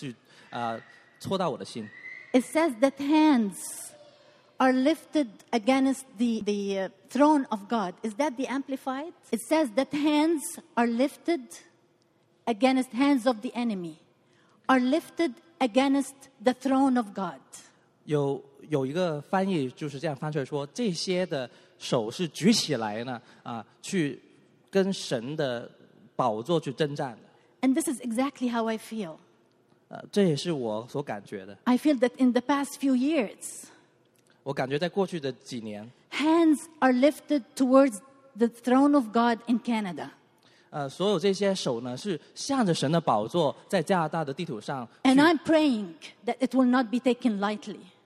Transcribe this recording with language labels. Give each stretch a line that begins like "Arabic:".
Chinese: 在这一章经文的最后一节当中，有一句话非常的戳到我的心。
English: It says that hands are lifted against the throne of God. Is that the Amplified? It says that hands are lifted against hands of the enemy, are lifted against the throne of God.
Chinese: 有一个翻译就是这样翻出来说，这些的手是举起来呢，去跟神的宝座去征战的。
English: And this is exactly how I feel.
Chinese: 这也是我所感觉的。
English: I feel that in the past few years,
Chinese: 我感觉在过去的几年,
English: hands are lifted towards the throne of God in Canada.
Chinese: 所有这些手呢，是向着神的宝座，在加拿大的地图上。
English: And I'm praying that it will not be taken lightly.